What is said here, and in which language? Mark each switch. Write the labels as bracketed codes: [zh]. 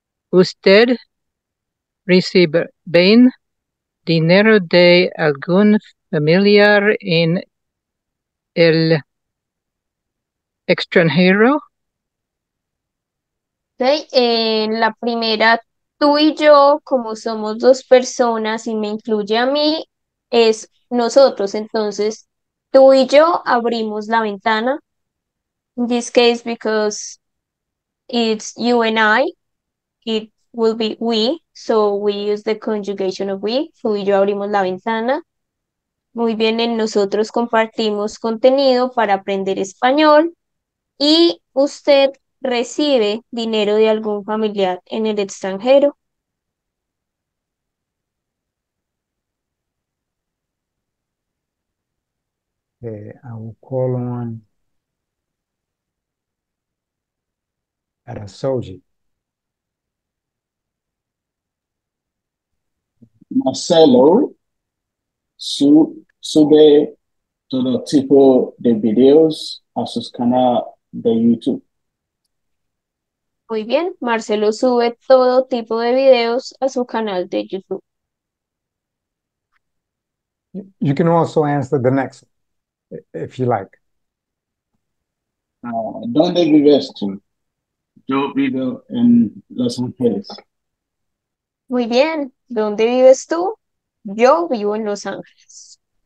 [es] Usted recibe bien dinero de algún familiar en el extranjero. Okay. En la primera, tú y yo, como somos dos personas y me incluye a mí, es nosotros. Entonces, tú y yo abrimos la ventana. [en] In this case, because it's you and I, it will be we. So we use the conjugation of we. [es] Tú y yo abrimos la ventana. Muy bien, en nosotros compartimos contenido para aprender español. Y usted recibe dinero de algún familiar en el extranjero. [en] Okay, I will call on Arasoji. [es] Marcelo, sube todo tipo de videos a sus canales de YouTube. Muy bien, Marcelo sube todo tipo de videos a su canal de YouTube. [en] You can also answer the next if you like. [es] ¿Dónde vives tú? Yo vivo en Los Ángeles. Muy bien, ¿dónde vives tú? Yo vivo en Los Ángeles.